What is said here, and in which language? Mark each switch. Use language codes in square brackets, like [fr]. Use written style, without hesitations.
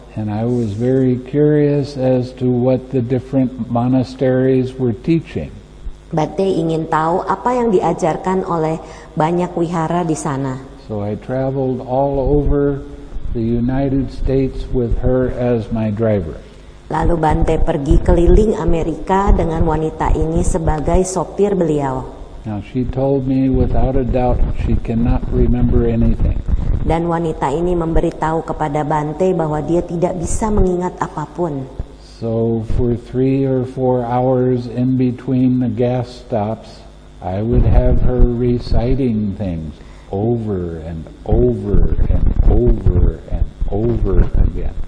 [en] And I was very curious as to what the different monasteries were teaching. [id] Bante ingin tahu apa yang diajarkan oleh banyak wihara di sana. [en] So I traveled all over the United States with her as my driver. [id] Lalu Bante pergi keliling Amerika dengan wanita ini sebagai sopir beliau. [en] Now she told me without a doubt she cannot remember anything. [id] Dan wanita ini memberitahu kepada Bante bahwa dia tidak bisa mengingat apapun. [en] So for 3 or 4 hours in between the gas stops, I would have her reciting things over and over and over and over again.